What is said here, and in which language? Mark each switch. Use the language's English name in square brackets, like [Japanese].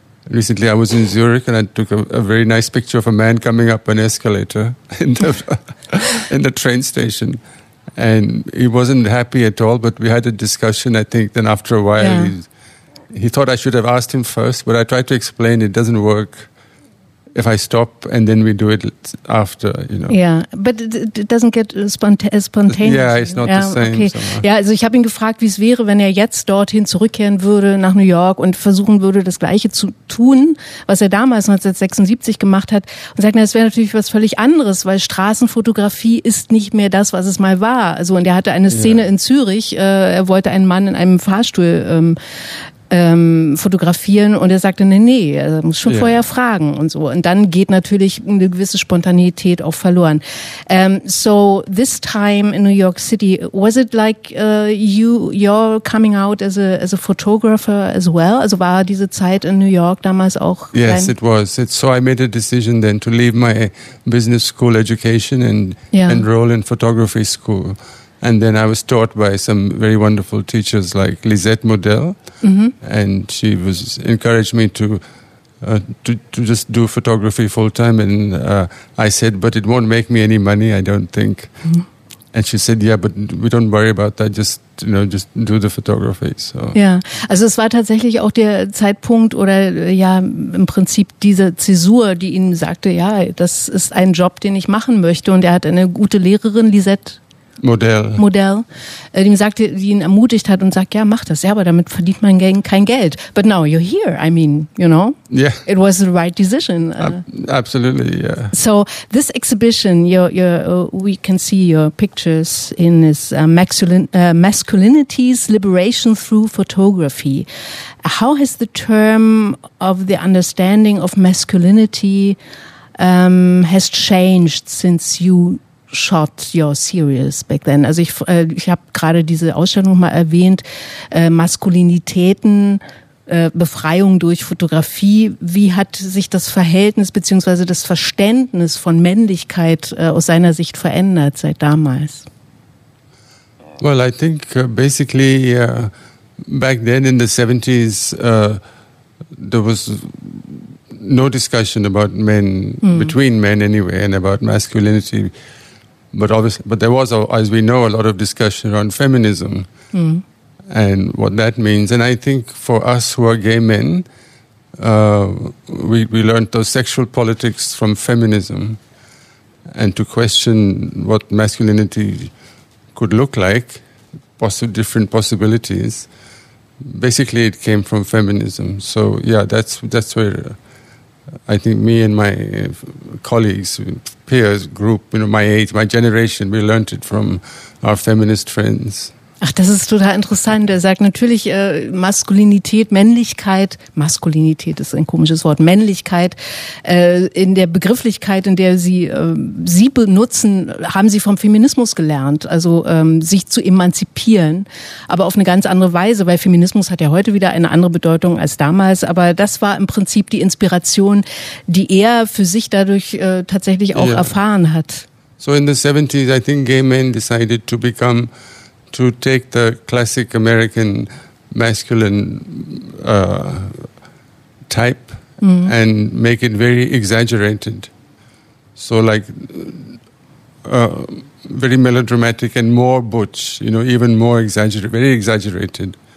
[English] Recently, I was in Zurich and I took a very nice picture of a man coming up an escalator in the train station. And he wasn't happy at all, but we had a discussion, I think. Then after a while, he thought I should have asked him first, but I tried to explain it doesn't work if I stop and then we do it after, you know. Yeah, but it doesn't get spontaneous. Yeah, it's not the same. Okay. [German] So. Ja, also ich habe ihn gefragt, wie es wäre, wenn er jetzt dorthin zurückkehren würde nach New York und versuchen würde, das Gleiche zu tun, was er damals 1976 gemacht hat. Und sagt, das wäre natürlich was völlig anderes, weil Straßenfotografie ist nicht mehr das, was es mal war. Also, und er hatte eine Szene in Zürich, er wollte einen Mann in einem Fahrstuhl fotografieren und er sagte, nee, er muss schon vorher fragen und so. Und dann geht natürlich eine gewisse Spontaneität auch verloren. [English] So this time in New York City, was it like you're coming out as a photographer as well? [German] Also war diese Zeit in New York damals auch? [English] Yes, it was. So I made a decision then to leave my business school education and enroll in photography school. And then I was taught by some very wonderful teachers like Lisette Model, and she was encouraged me to just do photography full time. And I said, but it won't make me any money, I don't think. And she said, yeah, but we don't worry about that. Just do the photography. So. [German] Ja, also es war tatsächlich auch der Zeitpunkt oder ja im Prinzip diese Zäsur, die ihm sagte, ja, das ist ein Job, den ich machen möchte. Und er hat eine gute Lehrerin, Lisette. Modell, die ihn ermutigt hat und sagt, ja, mach das, ja, aber damit verdient man kein Geld. [English] But now you're here, I mean, you know? Yeah. It was the right decision. Absolutely, yeah. So this exhibition, we can see your pictures in this Masculinity's Liberation Through Photography. How has the term of the understanding of masculinity has changed since you shot your series back then? [German] Also ich habe gerade diese Ausstellung mal erwähnt, Maskulinitäten, Befreiung durch Fotografie. Wie hat sich das Verhältnis bzw. das Verständnis von Männlichkeit aus seiner Sicht verändert seit damals? [English] Well, I think basically back then in the 70s there was no discussion about men, between men anyway, and about masculinity. But obviously, but there was, as we know, a lot of discussion around feminism and what that means. And I think for us who are gay men, we learned those sexual politics from feminism, and to question what masculinity could look like, different possibilities. Basically, it came from feminism. So yeah, that's where I think me and my colleagues, peers, group, you know, my age, my generation, we learned it from our feminist friends. [German] Ach, das ist total interessant. Er sagt natürlich, Maskulinität ist ein komisches Wort, Männlichkeit, in der Begrifflichkeit, in der sie benutzen, haben sie vom Feminismus gelernt, also sich zu emanzipieren, aber auf eine ganz andere Weise, weil Feminismus hat ja heute wieder eine andere Bedeutung als damals, aber das war im Prinzip die Inspiration, die er für sich dadurch tatsächlich auch erfahren hat. [English] So in the 70s, I think gay men decided to become... to take the classic American masculine type and make it very exaggerated. So like very melodramatic and more butch, you know, even more exaggerated, very exaggerated.